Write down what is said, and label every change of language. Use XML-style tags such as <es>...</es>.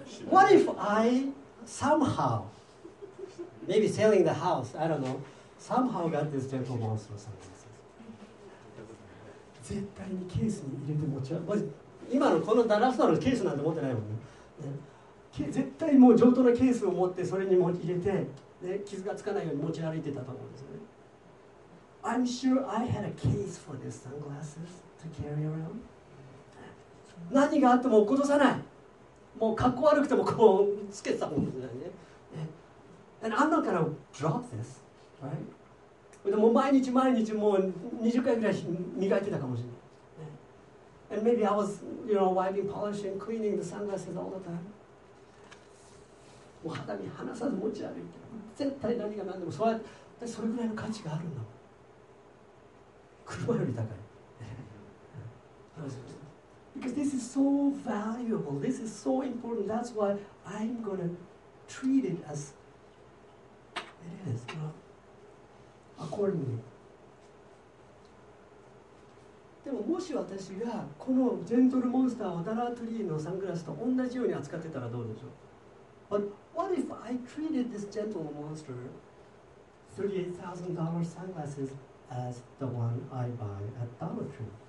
<en>What if I somehow maybe selling the house, I don't know, somehow got this gentle monster sunglasses?</en> <ja>絶対にケースに入れて持ち歩く。今のこのダラストのケースなんて持ってないもんね。絶対もう上等のケースを持ってそれに入れて、ね、傷がつかないように持ち歩いてたと思うんですよね。</ja> <en>I'm sure I had a case for this sunglasses to carry around.</en> <ja>何があっても落っことさない。もう格好悪くてもこうつけてたもんですよね。</ja> <en>And I'm not gonna drop this, right?</en> <ja>でも毎日毎日もう20回ぐらい磨いてたかもしれない。</ja> <en>And maybe I was, you know, wiping, polishing, cleaning the sunglasses all the time.</en> <ja>もう肌身離さず持ち歩いて、絶対何が何でもそうやって、それぐらいの価値があるんだもん。車より高い。</ja> <en>Because this is so valuable, this is so important, that's why I'm gonna treat it as it is, you know, accordingly.</en> <ja>でももし私がこのジェントルモンスターをダラートリーのサングラスと同じように扱ってたらどうでしょう。</ja> <en>But what if I treated this gentle monster $38,000 sunglasses as the one I buy at Dollar Tree?</en>